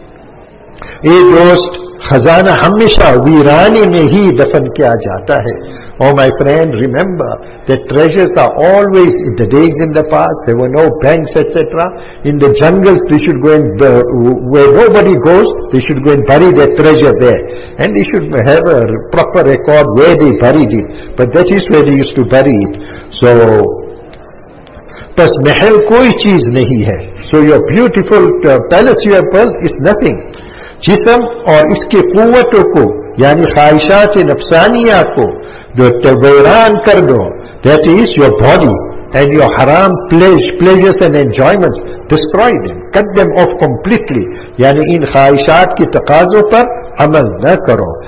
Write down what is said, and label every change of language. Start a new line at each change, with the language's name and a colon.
Urdu: اے دوست, خزانہ ہمیشہ ویرانے میں ہی دفن کیا جاتا ہے.
English: Oh my friend, remember that treasures are always in the days in the past, there were no banks etcetera, in the jungles they should go and where nobody goes, they should go and bury that treasure there, and they should have a proper record where they buried it, but that is where they used to bury it.
Urdu: سو بس محل کوئی چیز نہیں ہے.
English: So your beautiful palace you have built is nothing.
Urdu: جسم اور اس کے قوتوں کو, یعنی خواہشات نفسانیہ کو جو ویران کر دو,
English: that is your body and your حرام pleasures and enjoyments, destroy them, cut them off completely,
Urdu: یعنی ان خواہشات کے تقاضوں پر عمل نہ کرو.